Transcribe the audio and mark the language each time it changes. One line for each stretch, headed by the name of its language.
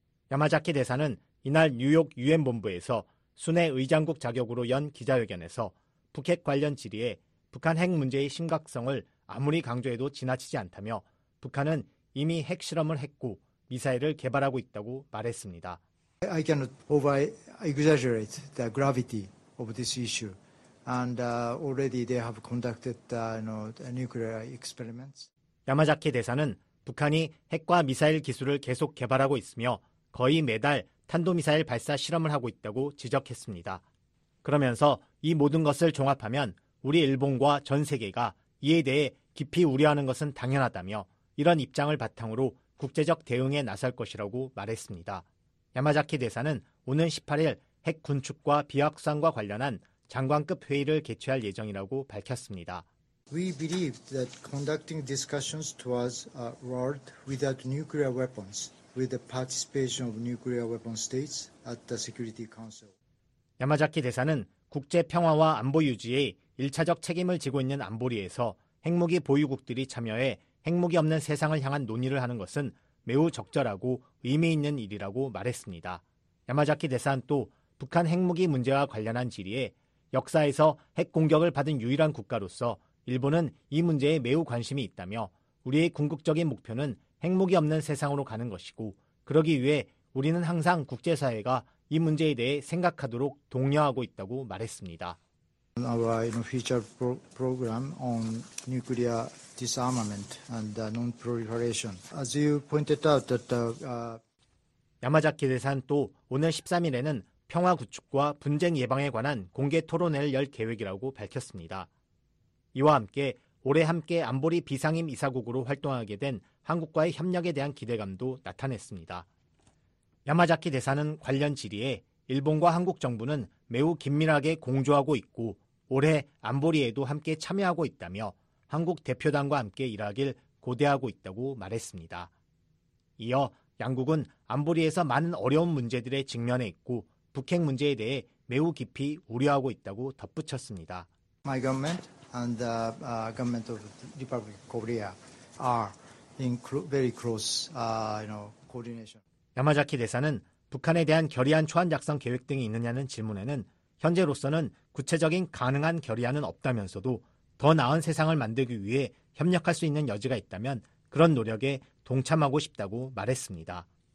Korean: 야마자키 대사는 이날 뉴욕 유엔 본부에서 순회 의장국 자격으로 연 기자회견에서 북핵 관련 질의에 북한 핵 문제의 심각성을 아무리 강조해도 지나치지 않다며 북한은 이미 핵 실험을 했고 미사일을 개발하고 있다고 말했습니다.
English: I cannot over-exaggerate the gravity of this issue. And already they have conducted nuclear experiments.
Korean: 야마자키 대사는 북한이 핵과 미사일 기술을 계속 개발하고 있으며 거의 매달 탄도미사일 발사 실험을 하고 있다고 지적했습니다. 그러면서 이 모든 것을 종합하면 우리 일본과 전 세계가 이에 대해 깊이 우려하는 것은 당연하다며 이런 입장을 바탕으로 국제적 대응에 나설 것이라고 말했습니다. 야마자키 대사는 오는 18일 핵 군축과 비확산과 관련한 장관급 회의를 개최할 예정이라고 밝혔습니다.
English: We believe that conducting discussions towards a world without nuclear weapons with the participation of nuclear weapon states at the Security Council.
Korean: 야마자키 대사는 국제 평화와 안보 유지에 1차적 책임을 지고 있는 안보리에서 핵무기 보유국들이 참여해 핵무기 없는 세상을 향한 논의를 하는 것은 매우 적절하고 의미 있는 일이라고 말했습니다. 야마자키 대사는 또 북한 핵무기 문제와 관련한 질의에 역사에서 핵 공격을 받은 유일한 국가로서 일본은 이 문제에 매우 관심이 있다며 우리의 궁극적인 목표는 핵무기 없는 세상으로 가는 것이고 그러기 위해 우리는 항상 국제사회가 이 문제에 대해 생각하도록 독려하고 있다고 말했습니다.
English: Our future program on nuclear disarmament and non-proliferation. As you pointed out, that the
Korean: 야마자키 대사는 또 오늘 13일에는 평화 구축과 분쟁 예방에 관한 공개 토론회를 열 계획이라고 밝혔습니다. 이와 함께 올해 함께 안보리 비상임 이사국으로 활동하게 된 한국과의 협력에 대한 기대감도 나타냈습니다. 야마자키 대사는 관련 질의에 일본과 한국 정부는 매우 긴밀하게 공조하고 있고 올해 안보리에도 함께 참여하고 있다며 한국 대표단과 함께 일하길 고대하고 있다고 말했습니다. 이어 양국은 안보리에서 많은 어려운 문제들에 직면해 있고 북핵 문제에 대해 매우 깊이 우려하고 있다고 덧붙였습니다.
English: My government and the government of the Republic of Korea are in very close coordination.
Korean: 야마자키 대사는 북한에 대한 결의안 초안 작성 계획 등이 있느냐는 질문에는 현재로서는 구체적인 가능한 결의안은 없다면서도 더 나은 세상을 만들기 위해 협력할 수 있는 여지가 있다면 그런 노력에 동참하고 싶다고 말했습니다.